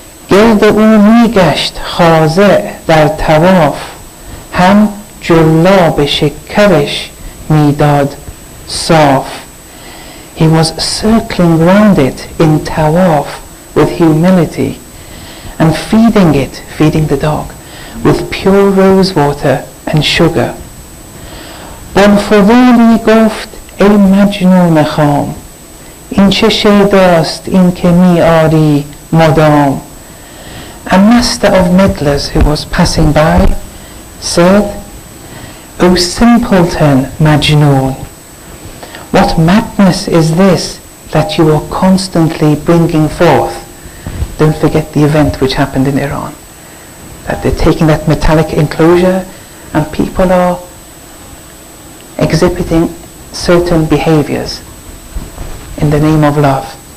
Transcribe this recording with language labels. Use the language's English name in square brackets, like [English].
[Persian] گرد او می گشت خاضع در طواف، هم جلاب شکرش می داد صاف. [English] He was circling round it in tawaf with humility, and feeding the dog, with pure rose water and sugar. [Persian] بانفوالی گفت ای مجنون خام، این چه شیداست این که می آری مدام. [English] A master of meddlers who was passing by said, O simpleton Majnun, what madness is this that you are constantly bringing forth? Don't forget the event which happened in Iran, that they're taking that metallic enclosure and people are exhibiting certain behaviors in the name of love.